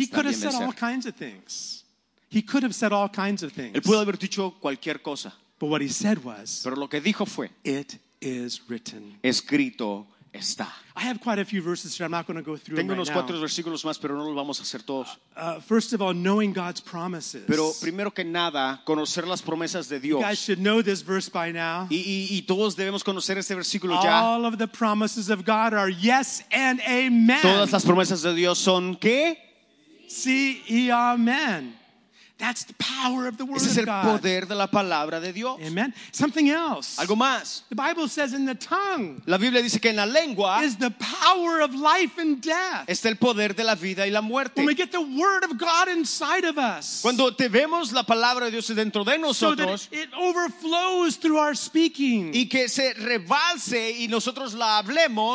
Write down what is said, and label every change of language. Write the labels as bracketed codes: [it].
[en] He could have said all kinds of things. He could have said all kinds of things. [es] Él pudo haber dicho cualquier cosa. [en] But what he said was, [es] pero lo que dijo fue, [en] it is written. [es] Escrito está. [en] I have quite a few verses here. I'm not going to go through [es] Tengo [en] them right [es] unos cuatro [en] now. [es] Versículos más, pero no los vamos a hacer todos. [en] First of all, knowing God's promises. [es] Pero primero que nada, conocer las promesas de Dios. [en] You guys should know this verse by now. [es] Y todos debemos conocer este versículo [en] all [es] ya. [en] All of the promises of God are yes and amen. [es] Todas las promesas de Dios son ¿qué? Sí y amen. [en] That's the power of the word [es] Ese es el [en] of God. [es] Poder de la palabra de Dios. [en] Amen. Something else. [es] Algo más. [en] The Bible says in the tongue. [es] La Biblia dice que en la lengua [en] is the power of life and death. [es] Está el poder de la vida y la muerte. [en] When we get the word of God inside of us. [es] Cuando tenemos la palabra de Dios dentro de nosotros. [en] So that it overflows through our speaking. [es] Y que se rebalse y nosotros la hablemos.